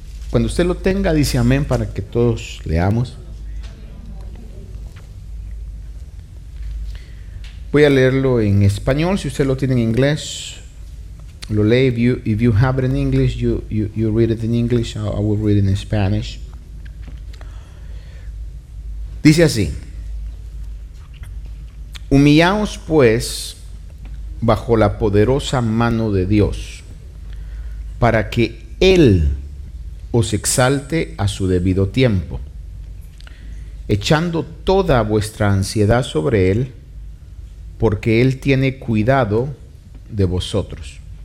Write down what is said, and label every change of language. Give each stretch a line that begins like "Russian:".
Spanish: Cuando usted lo tenga, dice amén para que todos leamos. Voy a leerlo en español. Si usted lo tiene en inglés, lo lee.
English: If you have it in English, you read it in English. I will read it in Spanish.
Spanish: Dice así: humillaos pues bajo la poderosa mano de Dios, para que Él os exalte a su debido tiempo, echando toda vuestra ansiedad sobre Él, porque Él tiene cuidado de vosotros.